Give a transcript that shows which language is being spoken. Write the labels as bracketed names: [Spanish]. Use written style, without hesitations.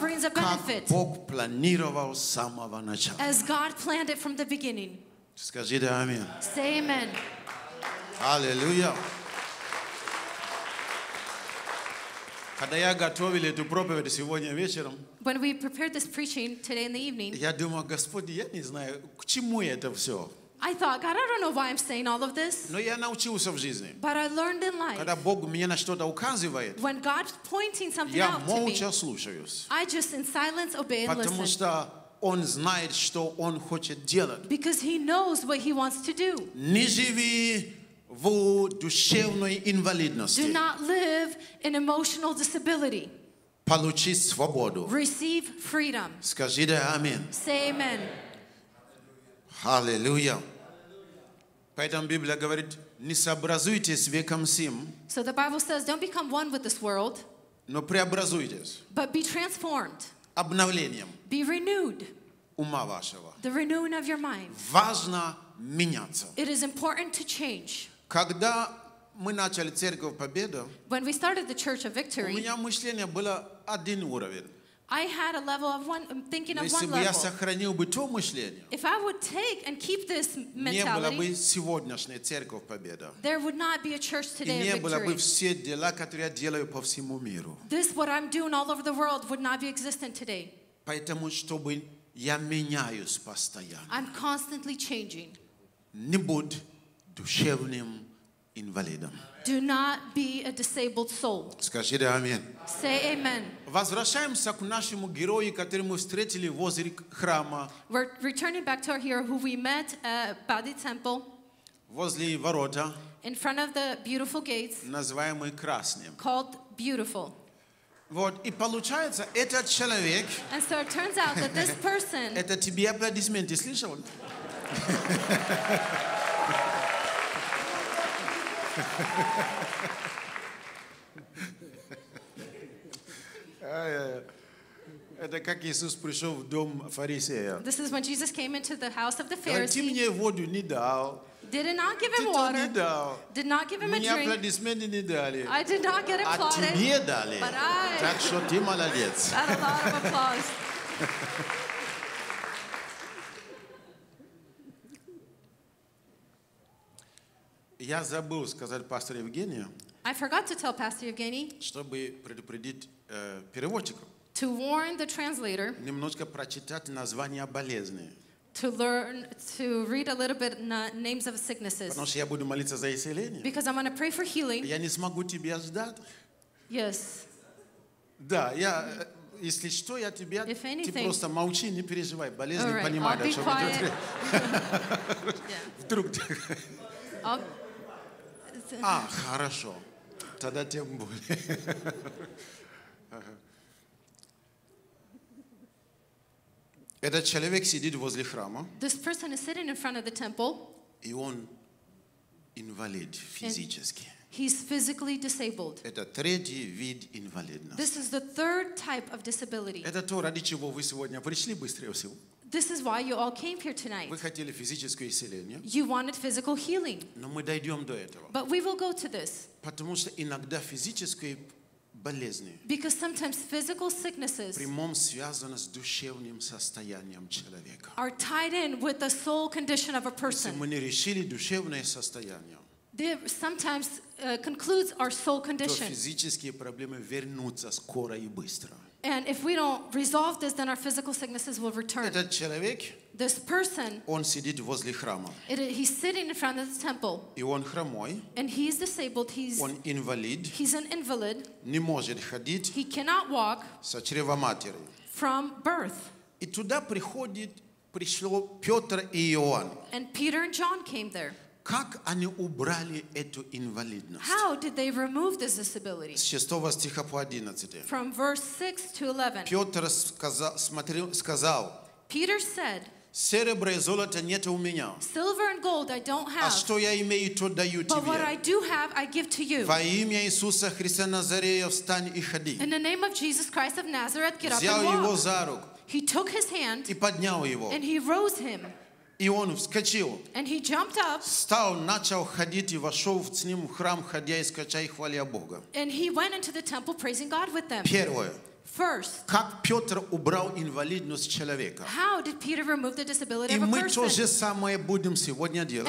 [English] brings a benefit. [Russian] Как Бог планировал с самого начала. [English] As God planned it from the beginning. [Russian] Скажи да, амин. [English] Say amen. Hallelujah. [Russian] Когда я готовил эту проповедь сегодня вечером, [English] when we prepared this preaching today in the evening, [Russian] я думал, Господи, я не знаю, к чему это все. [English] I thought, God, I don't know why I'm saying all of this. [Russian] Но я научился в жизни. [English] But I learned in life. [Russian] Когда Бог меня на что-то указывает, [English] when God's pointing something out to me, [Russian] я молча слушаюсь. [English] I just in silence obey and listen. [Russian] Потому что Он знает, что Он хочет делать. [English] Because He knows what He wants to do. [Russian] Не живи в душевной инвалидности. [English] Do not live in emotional disability. [Russian] Получи свободу. [English] Receive freedom. [Russian] Скажи да, аминь. [English] Say amen. [Russian] Аллилуйя. Поэтому Библия говорит, не сообразуйтесь с веком сим. [English] So the Bible says, don't become one with this world. [Russian] Но преобразуйтесь. [English] But be transformed. [Russian] Обновлением. [English] Be renewed. [Russian] Ума вашего. [English] The renewing of your mind. [Russian] Важно меняться. [English] It is important to change. [Russian] Когда мы начали церковь Победа, [English] when we started the Church of Victory, [Russian] у меня мышление было один уровень. [English] I had a level of one, thinking of one level. [Russian] Если бы я сохранил бы то мышление, [English] if I would take and keep this mentality, [Russian] не было бы сегодняшней церковь Победа. [English] There would not be a church today of victory. [Russian] И не было бы все дела, которые я делаю по всему миру. [English] This what I'm doing all over the world would not be existent today. [Russian] Поэтому чтобы я меняюсь постоянно. [English] I'm constantly changing. [Russian] Не будь душевным инвалидом. [English] Do not be a disabled soul. [Russian] Скажи да, аминь. [English] Say amen. [Russian] Возвращаемся к нашему герою, которого мы встретили возле храма. [English] We're returning back to our hero who we met by the temple. [Russian] Возле ворота. [English] In front of the beautiful gates. [Russian] Называемый красным. [English] Called beautiful. [Russian] Вот и получается этот человек. [English] And so it turns out that this person. [Russian] Это тебе аплодисменты слышал? Это как Иисус пришел в дом фарисея. [English] This is when Jesus came into the house of the Pharisee. [Russian] Ты мне воду не дал. [English] Did not give him water. [Russian] Ты не дал. [English] Did not give him a drink. [Russian] Мне аплодисменты не дали. [English] I did not get applauded. [Russian] А тебе дали. [English] But I. [Russian] Так что ты молодец. [English] Had a lot of applause. [Russian] Я забыл сказать пастору Евгению. [English] I forgot to tell Pastor Evgeny. [Russian] Чтобы предупредить переводчика. [English] To warn the translator. [Russian] Немножко прочитать название болезни. [English] To learn to read a little bit names of sicknesses. [Russian] Потому что я буду молиться за исцеление. [English] Because I'm going to pray for healing. [Russian] Я не смогу тебя ждать. [English] Yes. [Russian] Да, я. Если что, я тебя. [English] If anything. [Russian] Ты просто молчи, не переживай. Болезнь не понимает, о чем идет речь. Вдруг. А, хорошо. Тогда тем более. Этот человек сидит возле храма. [English] This person is sitting in front of the temple. [Russian] И он инвалид физически. [English] He's physically disabled. [Russian] Это третий вид инвалидности. [English] This is the third type of disability. [Russian] Это то, ради чего вы сегодня пришли быстрее всего. [English] This is why you all came here tonight. [Russian] Вы хотели физическое исцеление. [English] You wanted physical healing. [Russian] Но мы дойдем до этого. [English] But we will go to this. [Russian] Потому что иногда физическое болезни. [English] Because sometimes physical sicknesses. [Russian] Прямом связано с душевным состоянием человека. [English] Are tied in with the soul condition of a person. [Russian] Если мы не решили душевное состояние. [English] They sometimes concludes our soul condition. [Russian] То физические проблемы вернутся скоро и быстро. [English] And if we don't resolve this, then our physical sicknesses will return. [Russian] Этот человек. [English] This person. [Russian] Он сидит возле храма. [English] He's sitting in front of the temple. [Russian] И он хромой. [English] And he's disabled. He's. [Russian] Он инвалид. [English] He's an invalid. [Russian] Не может ходить. [English] He cannot walk. [Russian] Со чрева матери. [English] From birth. [Russian] И туда приходит пришло Петр и Иоанн. [English] And Peter and John came there. [Russian] Как они убрали эту инвалидность? [English] How did they remove this disability? [Russian] С 6 стиха по 11. [English] From verse 6 to 11. [Russian] Петр сказал. [English] Peter said. [Russian] Серебра и золота нет у меня. [English] Silver and gold I don't have. [Russian] А что я имею, то даю тебе. [English] But what I do have, I give to you. [Russian] Во имя Иисуса Христа Назарея встань и ходи. [English] In the name of Jesus Christ of Nazareth, get up and walk. [Russian] Взял его за руку. [English] He took his hand. [Russian] И поднял его. [English] And he rose him. [Russian] И он вскочил. [English] And he jumped up. [Russian] Встал, начал ходить и вошел с ним в храм, ходя и скача и хваля Бога. [English] And he went into the temple praising God with them. [Russian] Первое. [English] First, how did Peter remove the disability of a person?